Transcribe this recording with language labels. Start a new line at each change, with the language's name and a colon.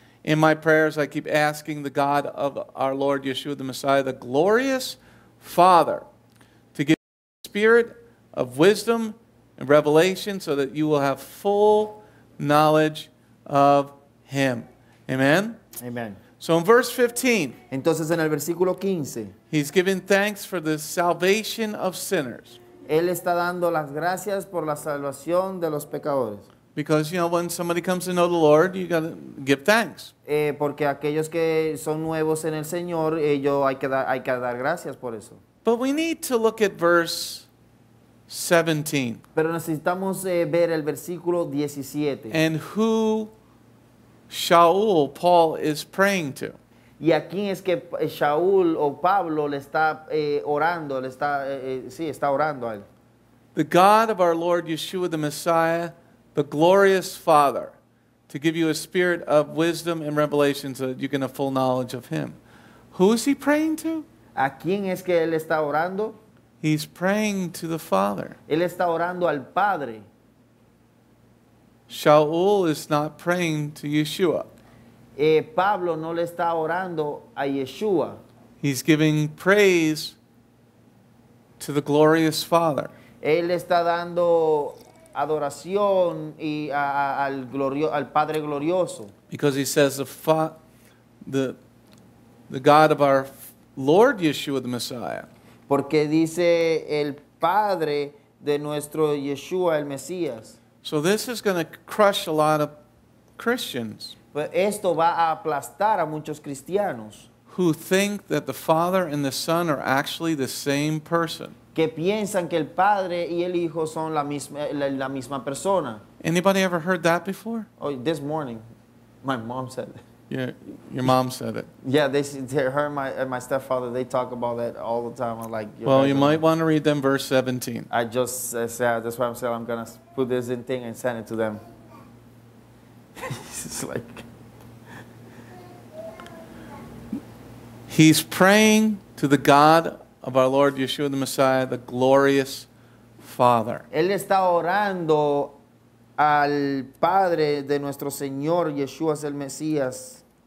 English: In my prayers, I keep asking the God of our Lord, Yeshua the Messiah, the glorious Father, to give you the spirit of wisdom and revelation so that you will have full knowledge of him." Amen? Amen. So in verse 15,
Spanish: entonces en el versículo 15,
English: he's giving thanks for the salvation of sinners.
Spanish: Él está dando las gracias por la salvación de los pecadores.
English: Because, you know, when somebody comes to know the Lord, you got to give thanks.
Spanish: Porque aquellos que son nuevos en el Señor, hay que dar gracias por eso.
English: But we need to look at verse 17.
Spanish: Pero necesitamos ver el versículo 17.
English: And who Sha’ul, Paul, is praying to.
Spanish: Y a quién es que Sha’ul o Pablo le está orando, le está, sí, está orando a él.
English: The God of our Lord Yeshua the Messiah, the glorious Father, to give you a spirit of wisdom and revelation so that you can have full knowledge of Him. Who is he praying to?
Spanish: ¿A quién es que él está orando?
English: He's praying to the Father.
Spanish: Él está orando al Padre.
English: Sha’ul is not praying to Yeshua.
Spanish: Pablo no le está orando a Yeshua.
English: He's giving praise to the glorious Father.
Spanish: Él está dando adoración y al al Padre glorioso.
English: Because he says the God of our Lord Yeshua the Messiah.
Spanish: Porque dice el Padre de nuestro Yeshua el Mesías.
English: So this is going to crush a lot of Christians.
Spanish: Pero esto va a aplastar a muchos cristianos.
English: Who think that the Father and the Son are actually the same person.
Spanish: Que piensan que el Padre y el Hijo son la misma persona.
English: Anybody ever heard that before? Oh, this morning, my mom said it. Yeah, your mom said it. Yeah, they heard my stepfather. They talk about that all the time. I'm like, you might want to read them verse 17. I just said, that's why I'm saying I'm going to put this in thing and send it to them. It's like... He's praying to the God of our Lord Yeshua the Messiah, the glorious Father.
Spanish: Él está orando al Padre de nuestro Señor Yeshua el Mesías.